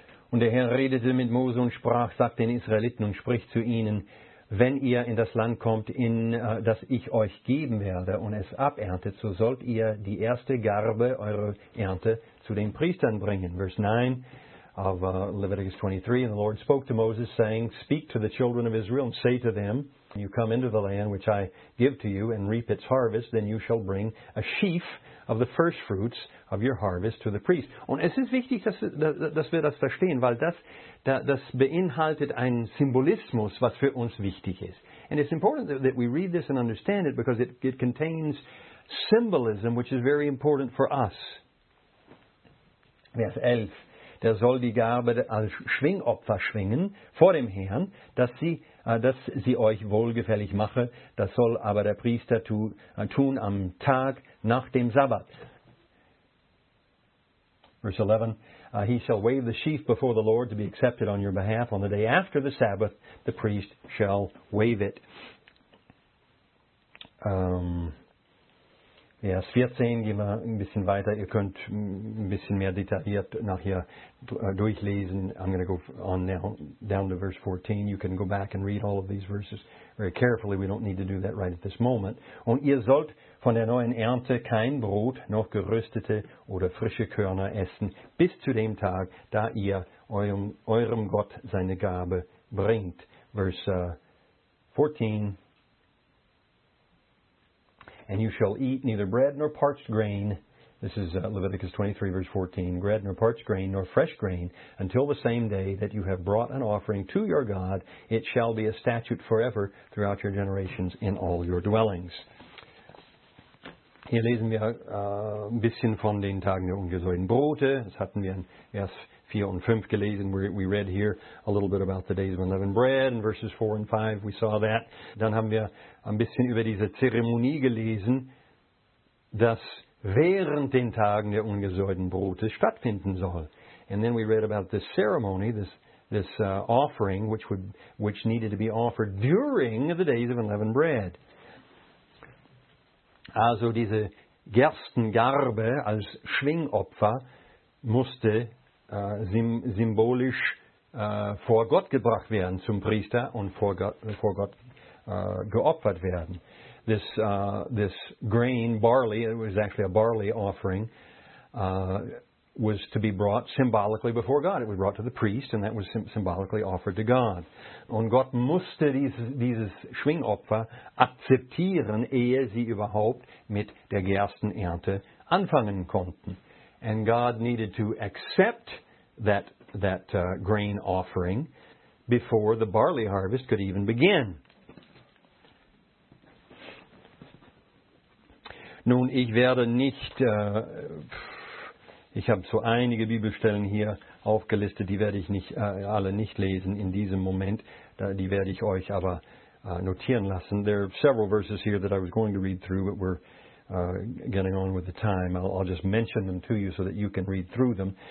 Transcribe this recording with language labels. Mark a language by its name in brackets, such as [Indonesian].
[German] Und der Herr redete mit Mose und sprach, sagt den Israeliten und spricht zu ihnen, wenn ihr in das Land kommt, in das ich euch geben werde und es aberntet, so sollt ihr die erste Garbe eurer Ernte zu den Priestern bringen. [English] Verse 9 of Leviticus 23, and the Lord spoke to Moses, saying, speak to the children of Israel and say to them, you come into the land which I give to you and reap its harvest, then you shall bring a sheaf of the first fruits of your harvest to the priest. [German] Und es ist wichtig, dass wir das verstehen, weil das beinhaltet einen Symbolismus, was für uns wichtig ist. [English] And it's important that we read this and understand it, because it contains symbolism, which is very important for us. [German] Vers 11. Der soll die Gabe als Schwingopfer schwingen vor dem Herrn, dass sie euch wohlgefällig mache. Das soll aber der Priester tun am Tag nach dem Sabbat. [English] Verse 11, he shall wave the sheaf before the Lord to be accepted on your behalf. On the day after the Sabbath, the priest shall wave it. [German] Vers 14, gehen wir ein bisschen weiter. Ihr könnt ein bisschen mehr detailliert nachher durchlesen. [English] I'm going to go on now, down to verse 14. You can go back and read all of these verses very carefully. We don't need to do that right at this moment. [German] Und ihr sollt von der neuen Ernte kein Brot noch geröstete oder frische Körner essen, bis zu dem Tag, da ihr eurem Gott seine Gabe bringt. [English] Verse 14. And you shall eat neither bread nor parched grain, this is Leviticus 23, verse 14, bread nor parched grain nor fresh grain, until the same day that you have brought an offering to your God, it shall be a statute forever throughout your generations in all your dwellings. [German] Hier lesen wir ein bisschen von den Tagen der ungesäuerten Brote. Das hatten wir in Vers 4 und 5 gelesen. [English] We read here a little bit about the days of unleavened bread. In verses 4 and 5, we saw that. [German] Dann haben wir ein bisschen über diese Zeremonie gelesen, dass während den Tagen der ungesäuerten Brote stattfinden soll. [English] And then we read about this ceremony, this offering, which needed to be offered during the days of unleavened bread. [German] Also diese Gerstengarbe als Schwingopfer musste symbolisch vor Gott gebracht werden, zum Priester und vor Gott geopfert werden. [English] This grain, barley, it was actually a barley offering, was to be brought symbolically before God. It was brought to the priest and that was symbolically offered to God. [German] Und Gott musste dieses Schwingopfer akzeptieren, ehe sie überhaupt mit der Gerstenernte anfangen konnten. [English] And God needed to accept that grain offering before the barley harvest could even begin. [German] Nun, ich werde nicht... Ich habe so einige Bibelstellen hier aufgelistet, die werde ich nicht alle nicht lesen in diesem Moment. Die werde ich euch aber notieren lassen. [English] There are several verses here that I was going to read through, but we're getting on with the time. I'll just mention them to you so that you can read through them.